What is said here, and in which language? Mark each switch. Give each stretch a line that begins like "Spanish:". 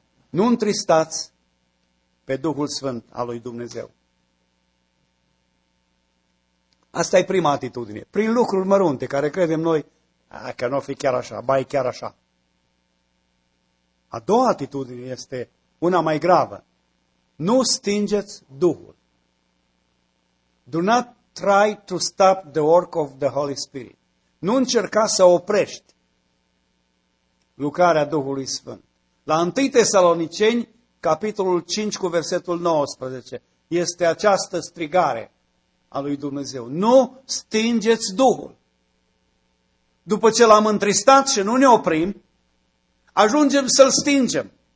Romanian: Nu întristați pe Duhul Sfânt al lui Dumnezeu. Asta e prima atitudine. Prin lucruri mărunte, care credem noi, că nu o fi chiar așa, ba e chiar așa. A doua atitudine este una mai gravă. Nu stingeți Duhul.
English: Do not try to stop the work of the Holy Spirit.
Romanian: Nu încerca să oprești lucrarea Duhului Sfânt. La 1 Tesaloniceni, capitolul 5 cu versetul 19, este această strigare a lui Dumnezeu. Nu stingeți Duhul. După ce l-am întristat și nu ne oprim, ajungem să-l stingem.